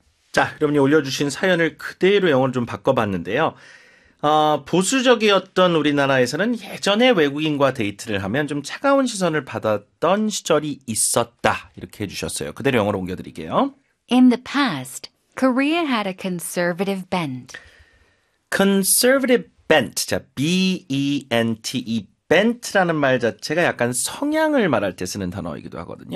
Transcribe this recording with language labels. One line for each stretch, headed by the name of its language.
Korean: 자, 여러분이 올려주신 사연을 그대로 영어로 좀 바꿔봤는데요. 보수적이었던 우리나라에서는 예전에 외국인과 데이트를 하면 좀 차가운 시선을 받았던 시절이 있었다. 이렇게 해주셨어요. 그대로 영어로 옮겨드릴게요.
English: In the past, Korea had a conservative bent. Conservative bent. 자, B-E-N-T.
Korean: 이 bent라는 말 자체가 약간 성향을 말할 때 쓰는 단어이기도 하거든요.